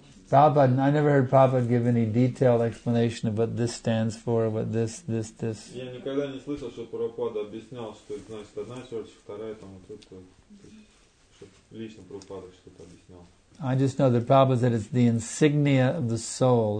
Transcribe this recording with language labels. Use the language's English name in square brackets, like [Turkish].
[English] Prabhupada, I never heard Prabhupada give any detailed explanation of what this stands for, what this. [Russian] Я никогда не слышал, что Прабхупада объяснял, что это значит одна сердце, вторая там вот это, чтобы лично Прабхупада что-то объяснял. [English] I just know that Prabhupada said it's the insignia of the soul.